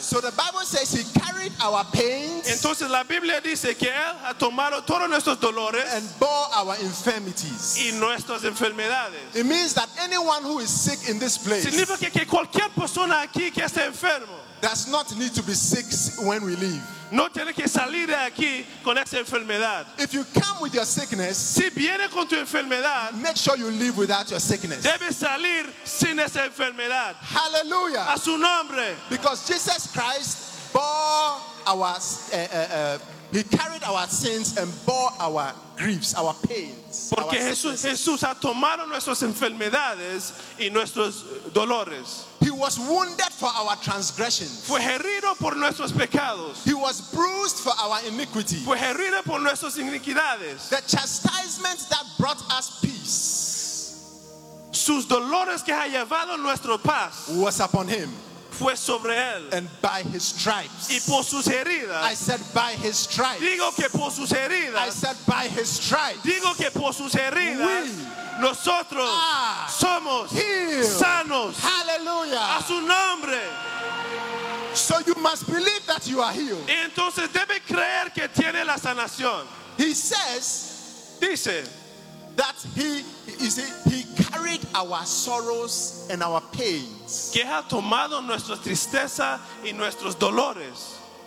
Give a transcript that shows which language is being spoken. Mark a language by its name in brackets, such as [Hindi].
[English] So the Bible says he carried our pains. [Spanish] Entonces la Biblia dice que él ha tomado todos nuestros dolores, [English] and bore our infirmities. [Spanish] Y nuestras enfermedades. [English] It means that anyone who is sick in this place, [Spanish] significa que cualquier persona aquí que está enfermo, [English] does not need to be sick when we leave. [Spanish] No tiene que salir de aquí con esa enfermedad. [English] If you come with your sickness, [Spanish] si viene con tu enfermedad, [English] make sure you leave without your sickness. [Spanish] Debe salir sin esa enfermedad. [English] Hallelujah. [Spanish] A su nombre. [English] Because Jesus Christ bore our he carried our sins and bore our griefs, our pains. [Spanish] Porque [English] our [Spanish] Jesús ha tomado nuestras enfermedades y nuestros dolores. [English] He was wounded for our transgressions. [Spanish] Fue herido por nuestros pecados. [English] He was bruised for our iniquity. [Spanish] Fue herido por nuestras iniquidades. [English] The chastisement that brought us peace. [Spanish] Sus dolores que ha llevado nuestro paz. [English] Was upon him. [Spanish] Fue sobre él. [English] And by his stripes. [Spanish] Y por sus heridas. [English] I said by his stripes. [Spanish] Digo que por sus heridas. [English] I said by his stripes. [Spanish] Digo que por sus heridas. [English] We [Spanish] nosotros [English] are [Spanish] somos [English] healed. [Spanish] Sanos. [English] Hallelujah. [Spanish] A su nombre. [English] So you must believe that you are healed. [Spanish] Y entonces debe creer que tiene la sanación. [English] He says, [Spanish] dice, [English] that he carried our sorrows and our pains. [Spanish] Que ha tomado nuestra tristeza y nuestros dolores.